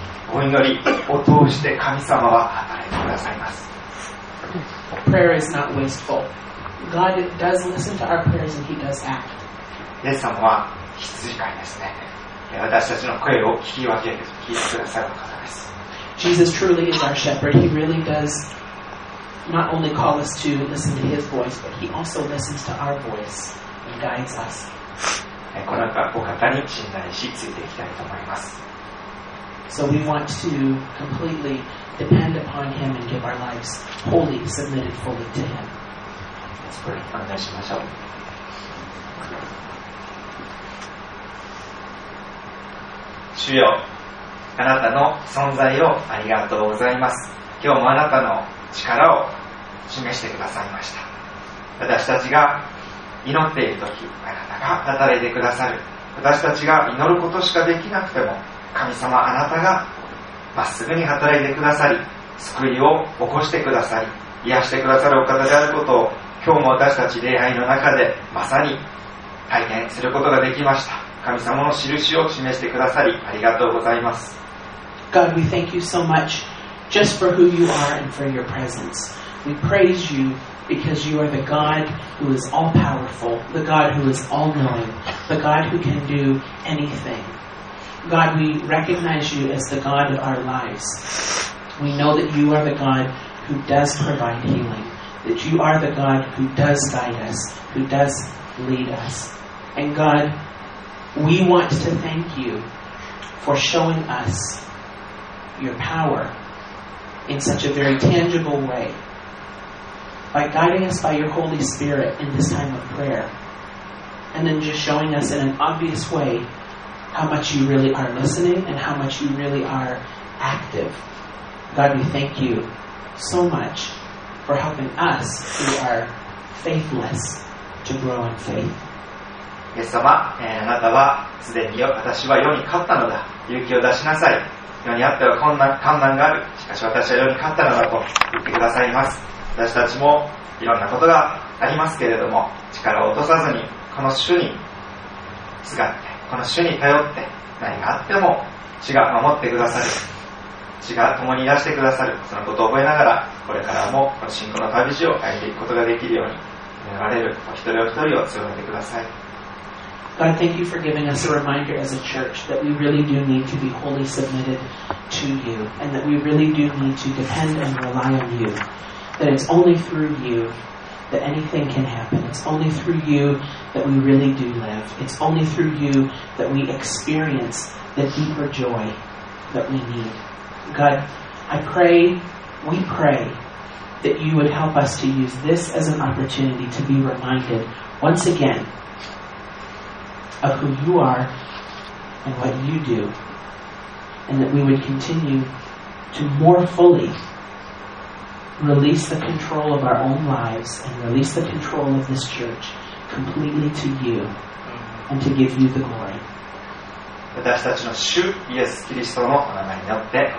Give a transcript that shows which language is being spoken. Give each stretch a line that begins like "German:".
Japanese: お祈りを通して神様は働いてくださいます。
English: Prayer is not wasteful. God does listen to our prayers and He does act.
Japanese: イエス様は羊飼いですね。私たちの声を聞き分けて聞いてくださる方です。
English: Jesus truly is our shepherd. He really does not only call us to listen to His voice, but He also listens to our voice and guides us.
Japanese: この方お方に信頼しついていきたいと思います。
English: So we want to completely depend upon Him and give our lives wholly, submitted fully to Him. Let's pray.
Japanese: お願いしましょう。主よ、あなたの存在をありがとうございます。今日もあなたの力を示してくださいました。私たちが祈っているとき、あなたが働いてくださる。私たちが祈ることしかできなくても、神様あなたがまっすぐに働いてくださり、救いを起こしてくださり、癒してくださるお方であることを今日も私たち礼拝の中でまさに体験することができました。神様の印を示してくださりありがとうございます。
English: God, we thank you so much just for who you are and for your presence. We praise you because you are the God who is all powerful, the God who is all knowing, the God who can do anything. God, we recognize you as the God of our lives. We know that you are the God who does provide healing, that you are the God who does guide us, who does lead us. And God, we want to thank you for showing us your power in such a very tangible way by guiding us by your Holy Spirit in this time of prayer, and then just showing us in an obvious wayhow much you really are listening and how much you really are active. God, we thank you so much for helping us who are faithless to grow in faith.
Japanese: イエス様、あなたはすでに私は世に勝ったのだ。勇気を出しなさい。世にあっては困難がある。しかし私は世に勝ったのだと言ってくださいます。私たちもいろんなことがありますけれども、力を落とさずにこの主にすがって、この主に頼って、何があっても主が守ってくださる、主が共に出してくださる、そのことを覚えながら、これからもこの信仰の旅路を歩いていくことができるように祈られるお一人お一人を強めてください。
English: God, thank you for giving us a reminder as a church that we really do need to be wholly submitted to you, and that we really do need to depend and rely on you. That it's only through youThat anything can happen. It's only through you that we really do live. It's only through you that we experience the deeper joy that we need. God, I pray, we pray that you would help us to use this as an opportunity to be reminded once again of who you are and what you do, and that we would continue to more fullyrelease the control of our own lives and release the control of this church completely to you and to give you the glory.
Japanese: 私たちの主イエス・キリストのお名前によってお祈りします。